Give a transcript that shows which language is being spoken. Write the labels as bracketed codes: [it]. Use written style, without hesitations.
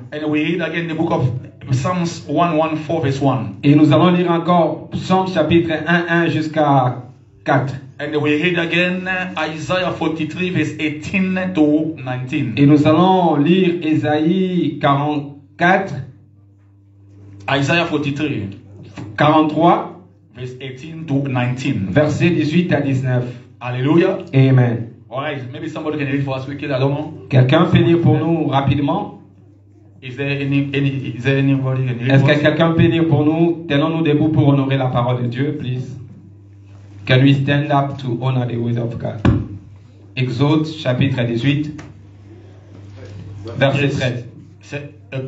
[en] And we read again the book of Psalms 114, verse 1. [fr] Et nous allons lire encore Psalms chapitre 1 jusqu'à 4. [en] And we read again Isaiah 43, verse 18 to 19. [fr] Et nous allons lire Isaïe 44. [en] Isaiah 43. 43. Verse 18 to 19. [fr] Verset 18 à 19. Alléluia. Amen. [en] All right, maybe somebody can read for us quickly. I don't know. [fr] Quelqu'un peut lire pour nous rapidement. [en] Is there is there anybody can [fr] read? Est-ce que quelqu'un peut lire pour nous? Tenons-nous debout pour honorer la parole de Dieu, please. [en] Can we stand up to honor the word of God? [fr] Exode chapitre 18, verset 13.